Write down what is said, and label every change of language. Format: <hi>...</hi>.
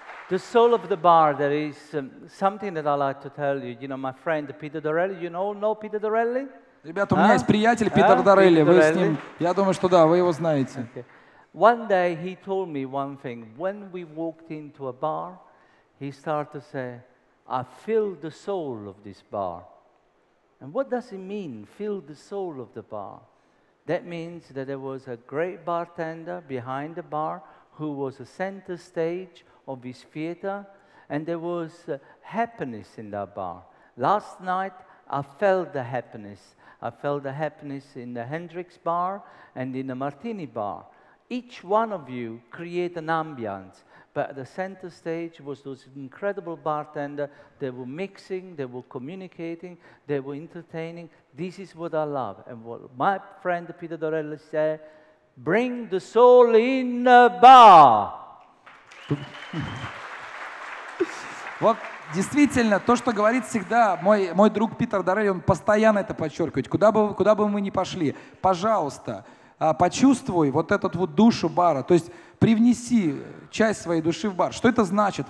<en>The soul of the bar, there is something that I like to tell you. You know, my friend Peter Dorelli, you all know Peter Dorelli?</en> <ru>Ребята, у меня есть приятель Питер Дорелли. Вы с ним, я думаю, что да, вы его знаете.</ru> <en>Okay. One day he told me one thing. When we walked into a bar, he started to say, I feel the soul of this bar. And what does it mean, feel the soul of the bar? That means that there was a great bartender behind the bar who was the center stage of his theater, and there was happiness in that bar. Last night, I felt the happiness. I felt the happiness in the Hendrix bar and in the Martini bar. Each one of you create an ambience, but at the center stage was those incredible bartenders. They were mixing, they were communicating, they were entertaining. This is what I love. And what my friend Peter Dorelli said, bring the soul in the bar.</en> <ru>Вот действительно, то, что говорит всегда мой друг Питер Дорелли, он постоянно это подчеркивает. Куда бы мы ни пошли, пожалуйста, почувствуй вот эту вот душу бара. То есть привнеси часть своей души в бар. Что это значит?</ru>